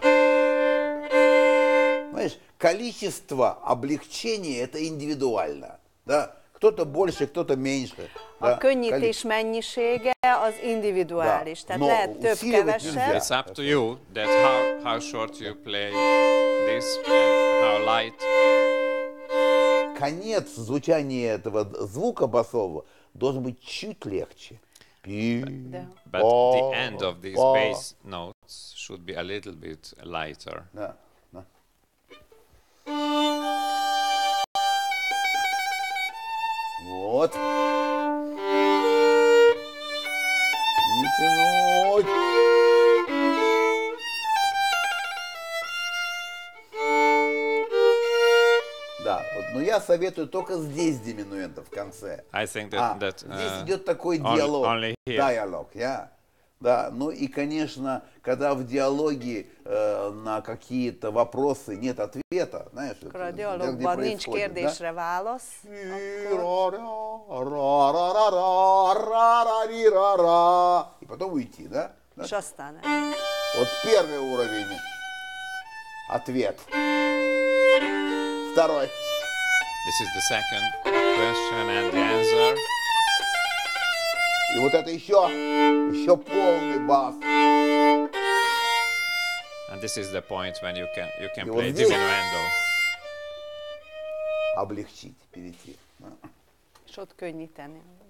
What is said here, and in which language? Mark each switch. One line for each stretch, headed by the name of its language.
Russian: Знаешь, количество облегчений это индивидуально. Да, кто-то больше, кто-то меньше.
Hungarian: A könnyítés mennyisége az individuális. Tehát lehet több, kevesebb.
English: It's up to you that how short you play this and how light.
Russian: Конец звучания этого звука басового должен быть чуть легче.
English: But the end of these bass notes should be a little bit lighter.
Russian: Да. Вот. Да, вот, но я советую только здесь диминуэнто в конце.
English: I think that, that
Russian: здесь идет такой диалог.
English: Only here.
Russian: Диалог, я. Да, ну и, конечно, когда в диалоге на какие-то вопросы нет ответа, знаешь, это, диалог, где происходит, да? И потом уйти, да? Что станет? Вот первый уровень – ответ. Второй.
English: This is the second question and the answer.
Russian: И вот это еще, еще полный бас.
English: And this is the point when you can play diminuendo.
Russian: Облегчить, перейти. Что такое не тяни?